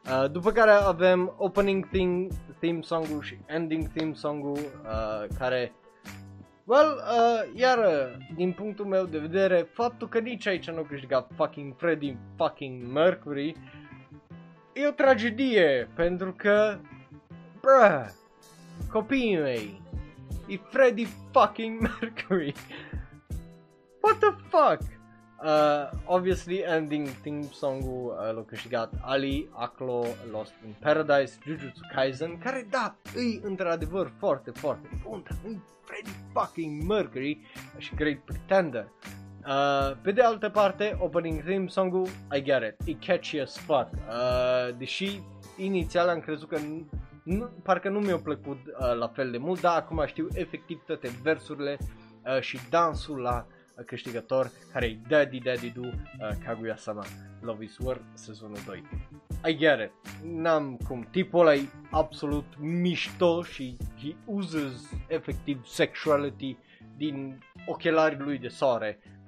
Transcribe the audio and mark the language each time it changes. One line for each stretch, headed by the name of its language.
Romanian: După care avem opening theme song-ul și ending theme song-ul care, well, iar din punctul meu de vedere, faptul că nici aici nu câștigat fucking Freddie fucking Mercury e o tragedie, pentru că, bruh, copiii mei, e Freddie fucking Mercury.
English: What the fuck?
Romanian: Obviously, ending theme song-ul l-a câștigat Ali, Aklo, Lost in Paradise, Jujutsu Kaisen, care, da, e într-adevăr foarte, foarte bun, dar nu-i Freddie fucking Mercury și Great Pretender. Pe de altă parte, opening theme song-ul,
English: I get it,
Romanian: e
English: catchy as fuck.
Romanian: Deși, inițial am crezut că parcă nu mi-a plăcut la fel de mult, dar acum știu efectiv toate versurile și dansul la câștigător, care e Daddy Daddy Do, Kaguya-sama, Love is War, sezonul 2.
English: I get it,
Romanian: n-am cum, tipul ăla e absolut mișto și
English: he uses
Romanian: efectiv sexuality din ochelarii lui de soare.